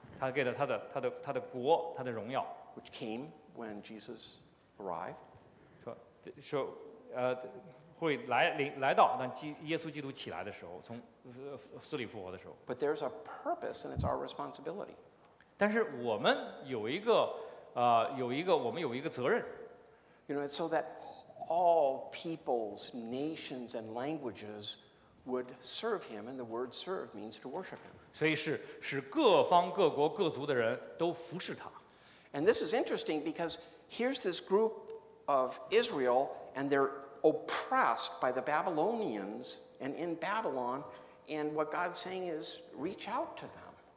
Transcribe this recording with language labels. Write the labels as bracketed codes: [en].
[zh] 他给了他的国，他的荣耀。 [en] Which came when Jesus arrived. [zh] 说会来到，但耶稣基督起来的时候，从死里复活的时候。 [en] But there's a purpose, and it's our responsibility. [zh] 但是我们有一个我们有一个责任。 [en] You know, so that all peoples, nations, and languages would serve him, and the word "serve" means to worship him. [zh] 所以是使各方各国各族的人都服侍他。 [en] And this is interesting because here's this group of Israel, and they're oppressed by the Babylonians and in Babylon, and what God's saying is, reach out to them.